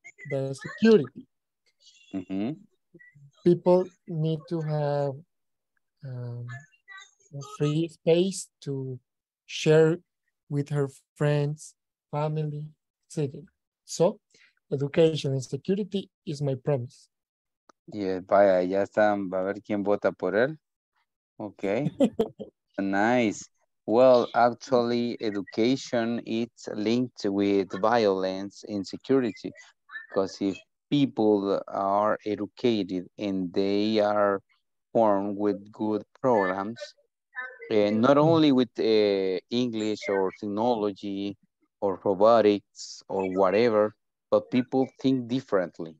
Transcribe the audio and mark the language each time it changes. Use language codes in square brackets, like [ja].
[en] the security. Mm-hmm. People need to have free space to share with her friends, family, city. So education and security is my promise. [es] Yeah, vaya, ya están, va a ver quién vota por él. [en] Okay, nice. Well, actually, education is linked with violence, insecurity, because if people are educated and they are formed with good programs, not only with English or technology or robotics or whatever, but people think differently.